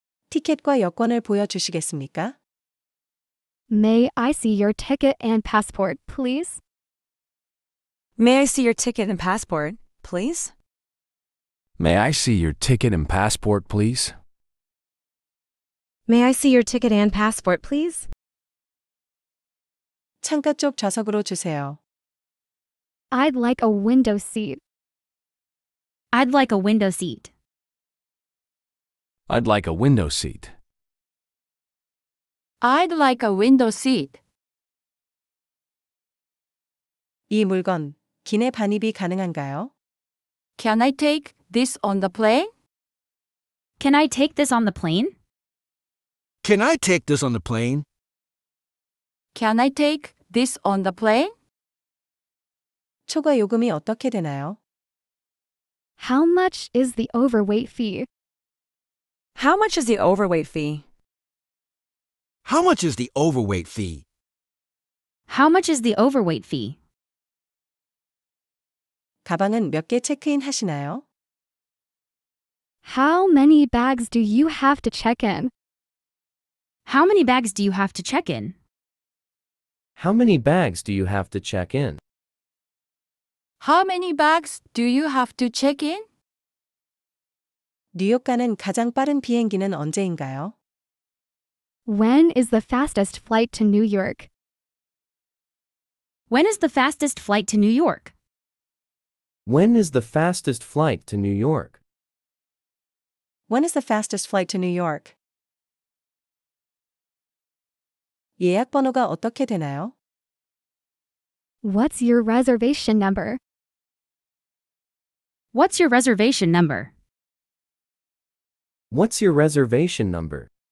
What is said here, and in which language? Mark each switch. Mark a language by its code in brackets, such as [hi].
[ko] 티켓과 여권을 보여주시겠습니까? [en] May I see your ticket and passport, please? May I see your ticket and passport, please? May I see your ticket and passport, please? May I see your ticket and passport, please? [ko] 창가 쪽 좌석으로 주세요. [en] I'd like a window seat. I'd like a window seat. I'd like a window seat. I'd like a window seat. [ko] 이 물건, 기내 반입이 가능한가요? [en] Can I take this on the plane? Can I take this on the plane? Can I take this on the plane? Can I take this on the plane? [ko] 초과 요금이 어떻게 되나요? [en] How much is the overweight fee? How much is the overweight fee? How much is the overweight fee? How much is the overweight fee? [ko] 가방은 몇 개 체크인 하시나요? [en] How many bags do you have to check in? How many bags do you have to check in? How many bags do you have to check in? How many bags do you have to check in? [ko] 뉴욕 가는 가장 빠른 비행기는 언제인가요? [en] When is the fastest flight to New York? When is the fastest flight to New York? When is the fastest flight to New York? When is the fastest flight to New York? [ko] 예약 번호가 어떻게 되나요? [en] What's your reservation number? What's your reservation number? What's your reservation number?